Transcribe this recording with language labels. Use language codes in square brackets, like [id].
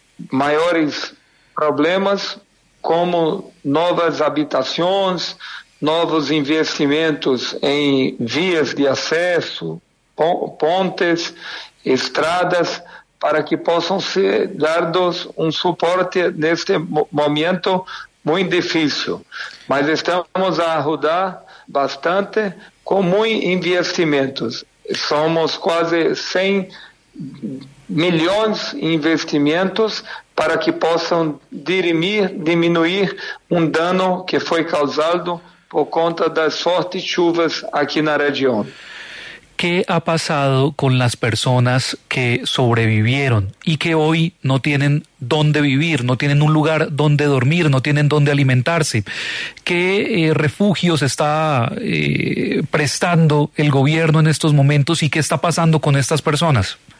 [pt] mayores problemas, como nuevas habitaciones, nuevos investimentos en vías de acceso, pontes, estradas, para que possam ser dados suporte neste momento muito difícil. Mas estamos a ajudar bastante com muitos investimentos. Somos quase 100 milhões de investimentos para que possam diminuir dano que foi causado por conta das fortes chuvas aqui na região. [es] ¿Qué ha pasado con las personas que sobrevivieron y que hoy no tienen dónde vivir, no tienen un lugar donde dormir, no tienen dónde alimentarse? ¿Qué refugios está prestando el gobierno en estos momentos y qué está pasando con estas personas?